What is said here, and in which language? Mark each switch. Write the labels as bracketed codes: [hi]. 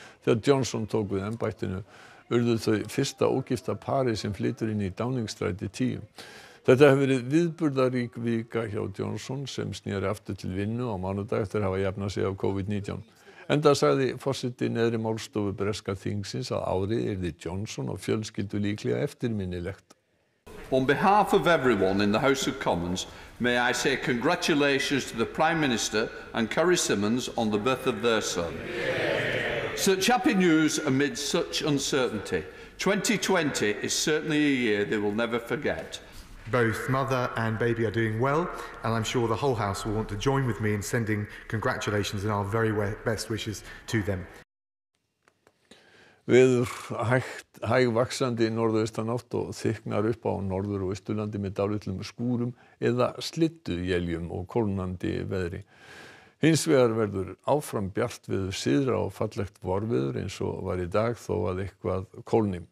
[is] Þegar Johnson tók við embættinu, urðu þau fyrsta ógifta pari sem flytur inn í Downingstræti 10. Þetta hefur verið viðburðarík vika hjá Johnson sem snýri aftur til vinnu á mánudag eftir að hafa jafnað sig af COVID-19. Enda sagði forseti neðri málstofu breska þingsins að árið yrði Johnson og fjölskyldu líklega eftirminnilegt. [en] On behalf of everyone in the House of Commons, may I say congratulations to the Prime Minister and Carrie Simmons on the birth of their son. Such happy news amid such uncertainty. 2020 is certainly a year they will never forget. Both mother and baby are doing well, and I'm sure the whole house will want to join with me in sending congratulations and our very best wishes to them. [is] Við hægvaxandi norðaustanátt og þykknar upp á norður- og austurlandi með dálitlum skúrum eða slydduéljum og kólnandi veðri. Hins vegar verður áfram bjart veður síðra og fallegt vorviður eins og var í dag þó að eitthvað kólni.